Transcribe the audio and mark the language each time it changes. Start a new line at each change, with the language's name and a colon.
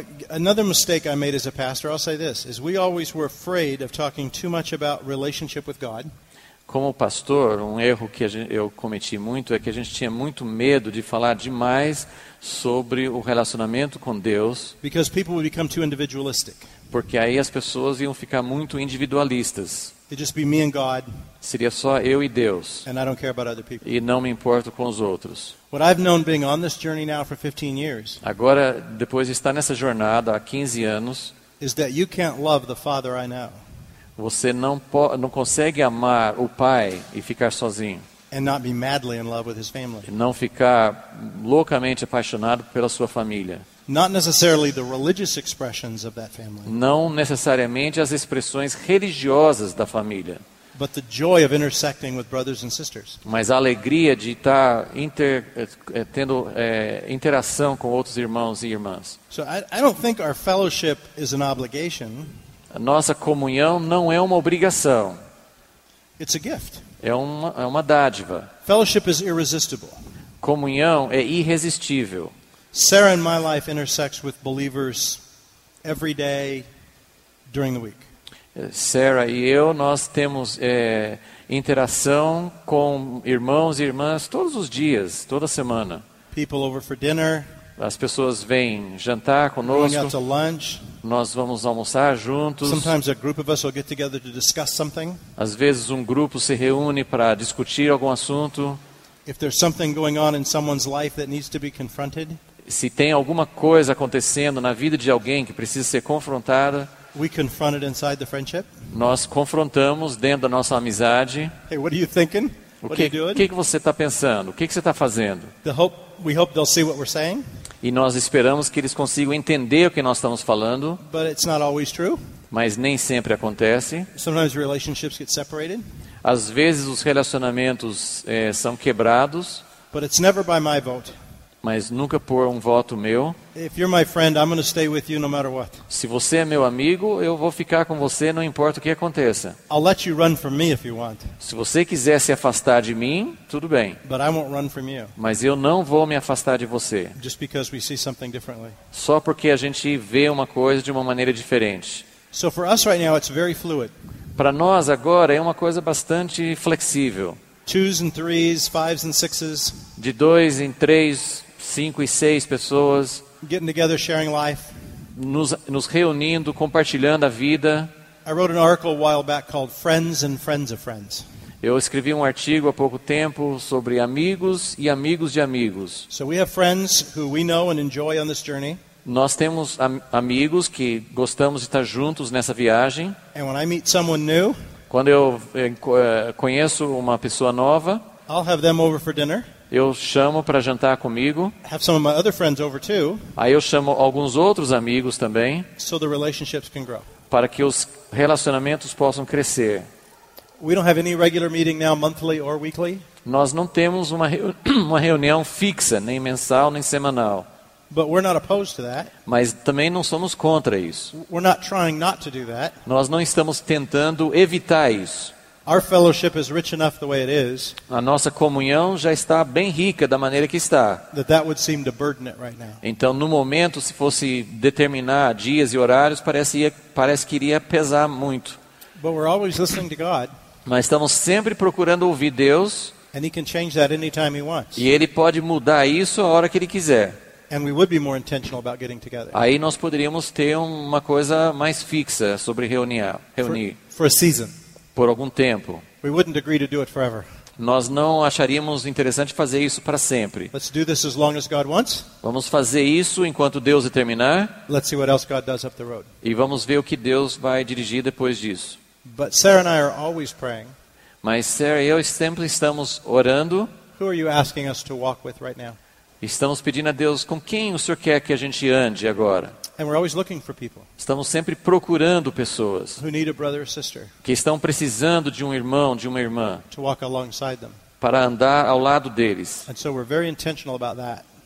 English: Another mistake I made as a pastor, I'll say this, is we always were afraid of talking too much about relationship with God.
Portuguese: Como pastor, erro que eu cometi muito é que a gente tinha muito medo de falar demais sobre o relacionamento com Deus.
English: Because people would become too individualistic.
Portuguese: Porque aí as pessoas iam ficar muito individualistas.
English: It'd just be me and God.
Portuguese: Seria só eu e Deus.
English: And I don't care about other people.
Portuguese: E não me importo com os outros.
English: What I've known being on this journey now for 15 years.
Portuguese: Agora, depois de estar nessa jornada há 15 anos,
English: is that you can't love the Father I know.
Portuguese: Você não consegue amar o Pai e ficar sozinho.
English: And not be madly in love with his family.
Portuguese: E não ficar loucamente apaixonado pela sua família.
English: Not necessarily the religious expressions of that family.
Portuguese: Não necessariamente as expressões religiosas da família.
English: But the joy of intersecting with brothers and sisters.
Portuguese: Mas a alegria de estar interação com outros irmãos e irmãs.
English: So I don't think our fellowship is an obligation.
Portuguese: A nossa comunhão não é uma obrigação.
English: It's a gift.
Portuguese: É uma dádiva.
English: Fellowship is irresistible.
Portuguese: Comunhão é irresistível.
English: Sarah in my life intersects with believers every day during the week.
Portuguese: Sarah e eu, nós temos interação com irmãos e irmãs todos os dias, toda semana.
English: People over for dinner.
Portuguese: As pessoas vêm jantar conosco.
English: Going out to lunch.
Portuguese: Nós vamos almoçar juntos.
English: Sometimes a group of us will get together to discuss something.
Portuguese: Às vezes grupo se reúne para discutir algum assunto.
English: If there's something going on in someone's life that needs to be confronted.
Portuguese: Se tem alguma coisa acontecendo na vida de alguém que precisa ser confrontada,
English: we confront it inside the friendship.
Portuguese: Nós confrontamos dentro da nossa amizade.
English: Hey, what are you thinking?
Portuguese: O que você está pensando? O que você está fazendo?
English: We hope they'll see what we're saying.
Portuguese: E nós esperamos que eles consigam entender o que nós estamos falando.
English: But it's not always true.
Portuguese: Mas nem sempre acontece.
English: Sometimes relationships get separated.
Portuguese: Às vezes os relacionamentos são quebrados.
English: But it's never by my vote.
Portuguese: Mas nunca por voto meu.
English: If you're my friend, I'm going to stay with you no matter what.
Portuguese: Se você é meu amigo, eu vou ficar com você, não importa o que aconteça.
English: I'll let you run from me if you want.
Portuguese: Se você quiser se afastar de mim, tudo bem.
English: But I won't run from you.
Portuguese: Mas eu não vou me afastar de você.
English: Just because we see something differently.
Portuguese: Só porque a gente vê uma coisa de uma maneira diferente.
English: So for us right now, it's very fluid.
Portuguese: Para nós agora é uma coisa bastante flexível.
English: Twos and threes, fives and sixes.
Portuguese: De dois em três, cinco e seis pessoas.
English: Getting together, sharing life.
Portuguese: Nos reunindo, compartilhando a vida.
English: I wrote an article a while back called Friends and Friends of Friends.
Portuguese: Eu escrevi artigo há pouco tempo sobre amigos e amigos de amigos.
English: So we have friends who we know and enjoy on this journey.
Portuguese: Nós temos amigos que gostamos de estar juntos nessa viagem.
English: And when I meet someone new,
Portuguese: quando eu conheço uma pessoa nova,
English: I'll have them over for dinner.
Portuguese: Eu chamo para jantar comigo.
English: Have some of my other friends over too.
Portuguese: Aí eu chamo alguns outros amigos também.
English: So the relationships can grow.
Portuguese: Para que os relacionamentos possam crescer.
English: We don't have any regular meeting now, monthly or weekly.
Portuguese: Nós não temos uma reunião fixa, nem mensal, nem semanal.
English: But we're not opposed to that.
Portuguese: Mas também não somos contra isso.
English: We're not trying not to do that.
Portuguese: Nós não estamos tentando evitar isso.
English: Our fellowship is rich enough the way it is.
Portuguese: A nossa comunhão já está bem rica da maneira que está.
English: That would seem to burden it right now.
Portuguese: Então, no momento, se fosse determinar dias e horários, parece que iria pesar muito.
English: But we're always listening to God.
Portuguese: Mas estamos sempre procurando ouvir Deus.
English: And he can change that anytime he wants.
Portuguese: E ele pode mudar isso a hora que ele quiser.
English: And we would be more intentional about getting together.
Portuguese: Aí nós poderíamos ter uma coisa mais fixa sobre reunir.
English: For a season.
Portuguese: Por algum tempo.
English: We wouldn't agree to do it forever.
Portuguese: Nós não acharíamos interessante fazer isso para sempre.
English: Let's do this as long as God wants.
Portuguese: Vamos fazer isso enquanto Deus determinar.
English: Let's see what else God does up the road.
Portuguese: E vamos ver o que Deus vai dirigir depois disso.
English: But Sarah and I are always praying.
Portuguese: Mas Sarah e eu sempre estamos orando.
English: Who are you asking us to walk with right now?
Portuguese: Estamos pedindo a Deus com quem o Senhor quer que a gente ande agora.
English: And we're always looking for people.
Portuguese: Estamos sempre procurando pessoas
English: who need a brother or sister
Portuguese: que estão precisando de um irmão, de uma irmã
English: to walk alongside them.
Portuguese: Para andar ao lado deles.
English: And so we're very intentional about that.